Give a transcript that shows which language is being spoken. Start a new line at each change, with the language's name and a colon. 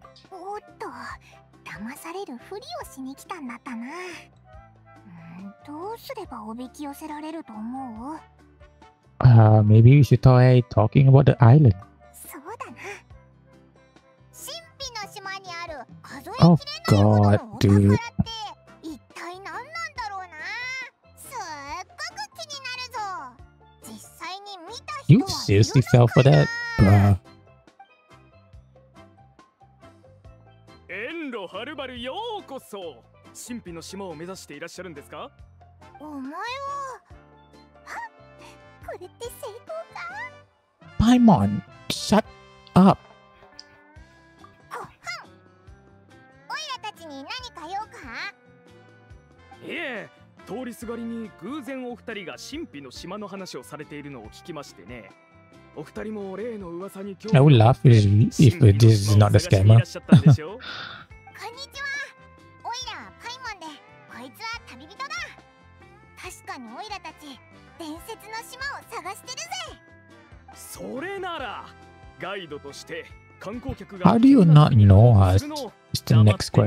Japanese: おっと、騙されるふりをしに来たんだったな。どうすればおびき寄せられると思う？
English: Maybe we should try talking about the island.
Japanese: そうだな。神秘の島にある数えきれないほどのお宝って一体何なんだろうな。すっごく気になるぞ。実際に見た人は。
English: You seriously fell for that, bro?
Japanese: エンロはるばるようこそ。神秘の島を目指していらっしゃるんですか？お前は、これって成功か？
English: パイモン、shut up。
Japanese: おいらたちに何か用か？いえ、通りすがりに偶然お二人が神秘の島の話をされているのを聞きましてね。お二人も例の噂に興味。
English: I would laugh if this is not the scammer.
Japanese: いらっしゃったんでしょ？こんにちは。オイラはパイモンで、こいつは旅人だ。確かにオイラたち、伝説の島を探してるぜ。それなら、ガイドとして観光客が。
English: How do you not know us? It's the next question.